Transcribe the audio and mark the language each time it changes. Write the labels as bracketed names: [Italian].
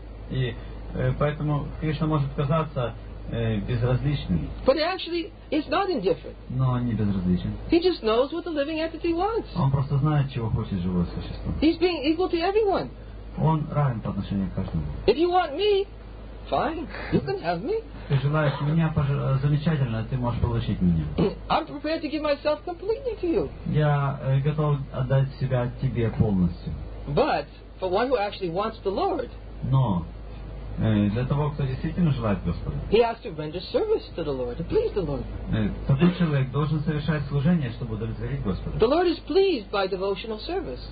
[Russian] И поэтому Кришна может казаться безразличным. [English] But he actually is not indifferent. [Russian] Но он не безразличен. [English] He just knows what the living entity wants. [Russian] Он просто знает, чего хочет живое существо. [English] He's being equal to everyone. [Russian] Он равен по отношению к каждому. [English] If you want me, fine, you can have me. [Russian] Ты желаешь меня, замечательно, ты можешь получить меня. [English] I'm prepared to give myself completely to you. [Russian] Я готов отдать себя тебе полностью. [English] But for one who actually wants the Lord, [Russian] но для того, кто действительно желает Господа, [English] he has to render service to the Lord, to please the Lord. [Russian] Такой человек должен совершать служение, чтобы удовлетворить Господа. [English] The Lord is pleased by devotional service.